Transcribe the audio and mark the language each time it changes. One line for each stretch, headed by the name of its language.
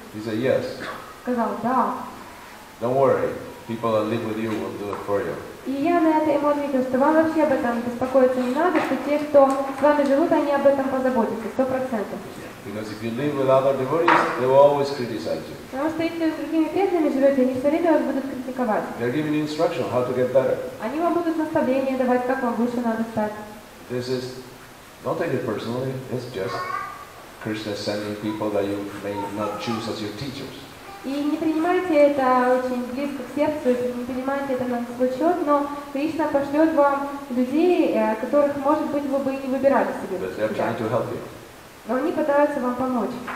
English: He said, yes.
Russian: Сказал, да.
English: Don't worry, people that live with you will do it for you.
Russian: И я на это ему ответил, что вам вообще об этом беспокоиться не надо, что те, кто с вами живут, они об этом позаботятся, 100%.
English: Because if you live with other devotees, they will always criticize you.
Russian: Потому что если вы с другими преданными живете, они все время вас будут критиковать.
English: They're giving you instruction how to get better.
Russian: Они вам будут наставления давать, как вам лучше надо стать.
English: This is, don't take it personally. It's just Krishna sending people that you may not choose as your teachers.
Russian: И не принимайте это очень близко к сердцу, не принимайте это на свой счет, но Кришна пошлет вам людей, которых, может быть, вы бы и не выбирали себе.
English: But they're trying to help you.
Russian: Но они пытаются вам помочь.